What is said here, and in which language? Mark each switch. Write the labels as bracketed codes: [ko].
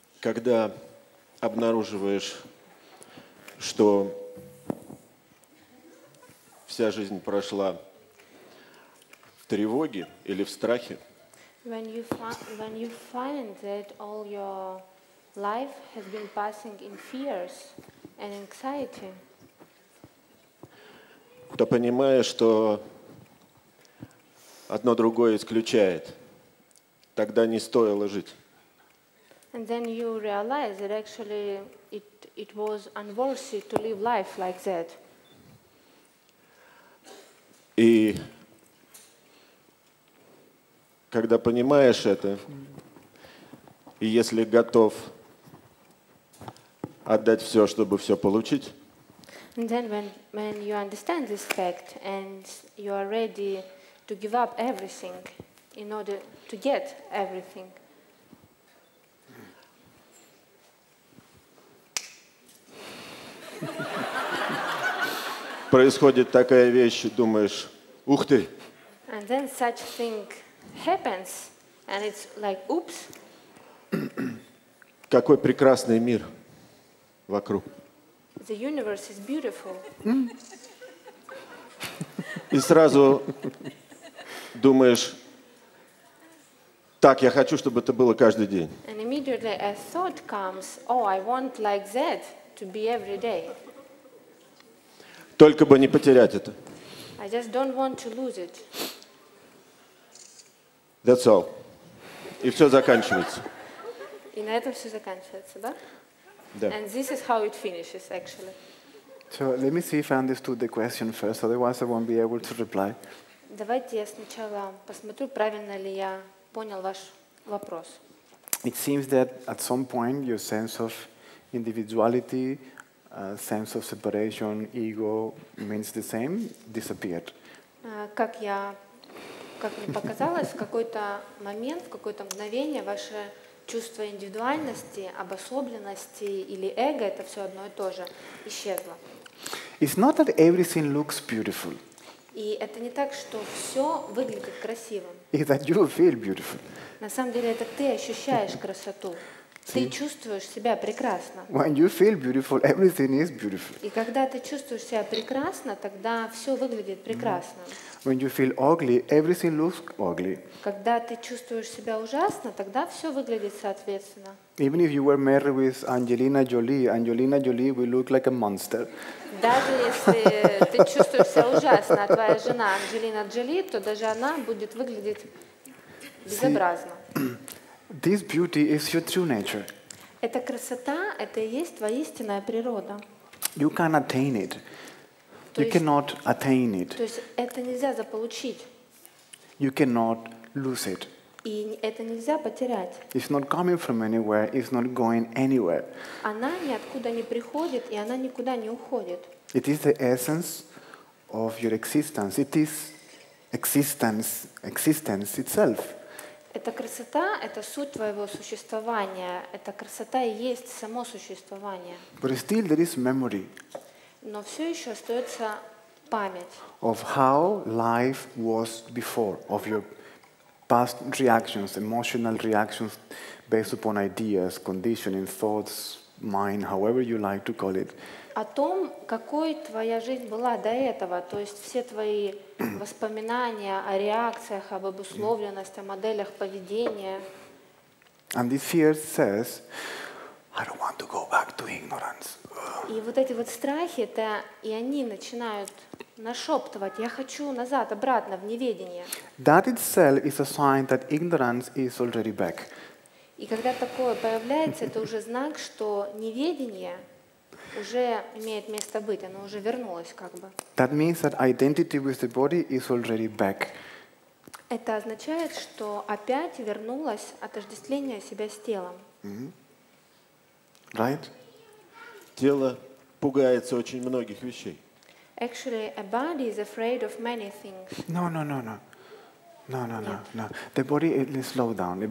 [ru] Когда обнаруживаешь, что вся жизнь прошла в тревоге или в страхе, [en] when you find that all your life has been passing in fears and anxiety, [ru] то понимаешь, что одно другое исключает, тогда не стоило жить. [en] And then you realize that actually it was unworthy to live life like that. [ru] И когда понимаешь это, и если готов отдать все, чтобы все получить, [en] and then when you understand this fact and you are ready to give up everything in order to get everything, [ru] происходит такая вещь, думаешь, ух ты. [en] And then such thing happens, and it's like, oops. [ru] Какой прекрасный мир вокруг. [en] The universe is beautiful. [ru] И сразу думаешь, так, я хочу, чтобы это было каждый день. [en] And immediately a thought comes, oh, I want like that to be every day. [ru] Только бы не потерять это. [en] I just don't want to lose it. That's all. [ru] И все заканчивается. И на этом все заканчивается, да? Да. [en] And this is how it finishes, actually. So let me see if I understood the question first, otherwise I won't be able to reply. [ru] Давайте я сначала посмотрю, правильно ли я понял ваш вопрос. [en] It seems that at some point your sense of individuality, sense of separation, ego means the same, disappeared. [ru] Как мне показалось, в какой-то момент, в какое-то мгновение ваше чувство индивидуальности, обособленности или эго, это все одно и то же, исчезло. [en] It's not that everything looks beautiful. [ru] И это не так, что все выглядит красивым. [en] It's that you feel beautiful. [ru] На самом деле это ты ощущаешь красоту. Ты чувствуешь себя прекрасно. [en] When you feel beautiful, everything is beautiful. [ru] И когда ты чувствуешь себя прекрасно, тогда все выглядит прекрасно. [en] When you feel ugly, everything looks ugly. [ru] Когда ты чувствуешь себя ужасно, тогда все выглядит соответственно. [en] Even if you were married with Angelina Jolie, Angelina Jolie will look like a monster. [ru] Даже если ты чувствуешь себя ужасно, а твоя жена Анджелина Джоли, то даже она будет выглядеть безобразно. [en] This beauty is your true nature. [ru] Эта красота, это и есть твоя истинная природа. [en] You can't attain it. You cannot attain it. [ru] То есть это нельзя заполучить. [en] You cannot lose it. [ru] И это нельзя потерять. [en] It's not coming from anywhere. It's not going anywhere. [ru] Она ниоткуда не приходит и она никуда не уходит. [en] It is the essence of your existence. It is existence itself. [ru] Это красота, это суть твоего существования. Эта красота и есть само существование. [en] But still there is memory. [ru] Но все еще остается память. [en] Of how life was before, of your past reactions, emotional reactions based upon ideas, conditioning, thoughts, mind, however you like to call it. [ru] О том, какой твоя жизнь была до этого, то есть все твои воспоминания о реакциях, об обусловленности, о моделях поведения. [en] And this fear says, I don't want to go back to ignorance. [ru] И вот эти вот страхи, это и они начинают нашептывать, я хочу назад, обратно, в неведение. [en] That itself is a sign that ignorance is already back. [ru] И когда такое появляется, это уже знак, что неведение уже имеет место быть, оно уже вернулось как бы. [en] That means that identity with the body is already back. [ru] Это означает, что опять вернулось отождествление себя с телом. [en] Mm-hmm. Right? [ru] Тело пугается очень многих вещей. [en] Actually, a body is afraid of many things. No, no, no, no. No. The body is slowed down.